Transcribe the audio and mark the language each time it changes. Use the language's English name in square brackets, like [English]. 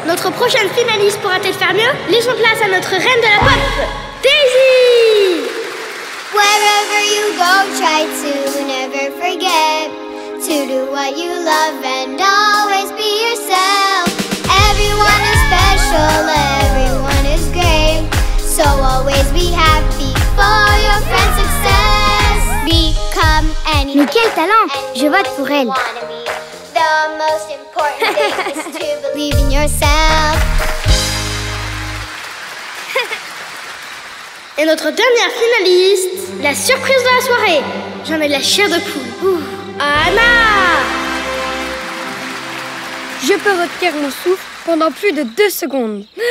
[French] Notre prochaine finaliste pourra-t-elle faire mieux? Laissons place à notre reine de la pop, Daisy. [English] Wherever you go, try to never forget to do what you love and always be yourself. Everyone is special, everyone is great, so always be happy for your friend's success. Become any. [French] Mais quel talent! Je vote pour elle. [English] The most important thing is to believe in yourself. [French] Et notre dernière finaliste, la surprise de la soirée. J'en ai de la chair de poule. Anna! Je peux retenir mon souffle pendant plus de 2 secondes.